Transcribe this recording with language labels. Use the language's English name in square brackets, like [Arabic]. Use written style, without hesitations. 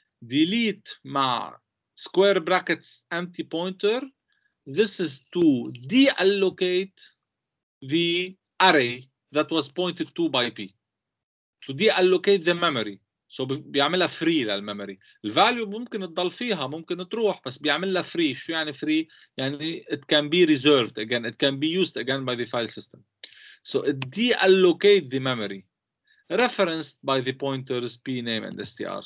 [English] Delete مع square brackets empty pointer. This is to deallocate the array that was pointed to by P. To deallocate the memory. [Arabic] So بيعملها free للميموري. الفاليو ممكن تضل فيها، ممكن تروح، بس بيعملها free. شو يعني free؟ يعني [English] it can be reserved again, it can be used again by the file system. So it deallocate the memory referenced by the pointers p name and str.